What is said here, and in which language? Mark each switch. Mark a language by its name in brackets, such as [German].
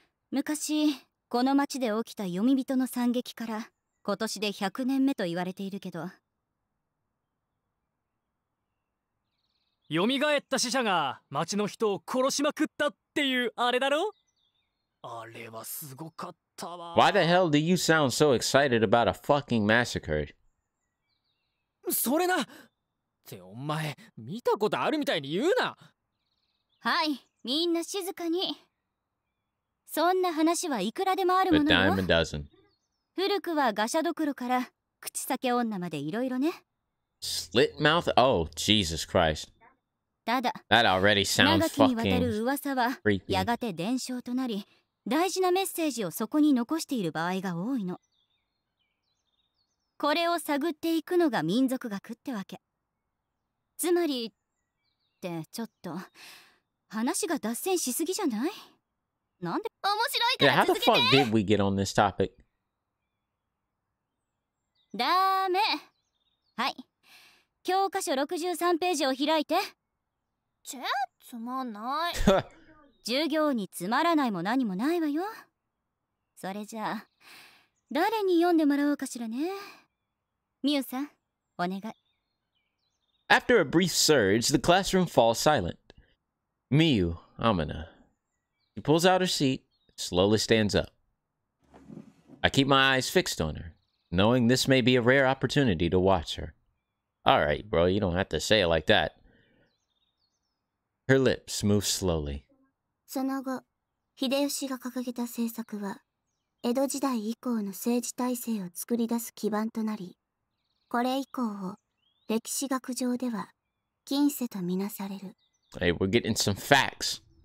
[Japanese] 昔、この町で起きた読み人の惨劇から、今年で100年目と言われているけど。蘇った死者が町の人を殺しまくったっていうあれだろ？あれはすごかったわ。 [English] Why the hell do you sound so excited about a fucking massacre? [Japanese] それな！ってお前、見たことあるみたいに言うな！はい、みんな静かに。そんな話はいくらでもあるものよ。 [English] The Diamond Dozen. [Japanese] 古くはガシャドクロから口裂け女までいろいろね。 [English] Slit mouth? Oh, Jesus Christ. [Japanese] ただ、 [English] That already sounds [Japanese] 長きにわたる噂は、やがて伝承となり、大事なメッセージをそこに残している場合が多いの。これを探っていくのが民族学ってわけ。つまり、ってちょっと、話が脱線しすぎじゃない？なんで？面白いから続けて！ [English] How the fuck did we get on this topic? [Japanese] だめ。はい。教科書63ページを開いて。チェー、つまんない。授業につまらないも何もないわよ。それじゃあ、誰に読んでもらおうかしらね。ミュウさん、お願い。 [English] After a brief surge, the classroom falls silent. ミュウ、アマナ。She pulls out her seat, slowly stands up. I keep my eyes fixed on her, knowing this may be a rare opportunity to watch her. All right, bro, you don't have to say it like that. Her lips move slowly. [Japanese] その後、秀吉が掲げた政策は、江戸時代以降の政治体制を作り出す基盤となり、これ以降を歴史学上では、近世とみなされる。 [English] Hey, we're getting some facts.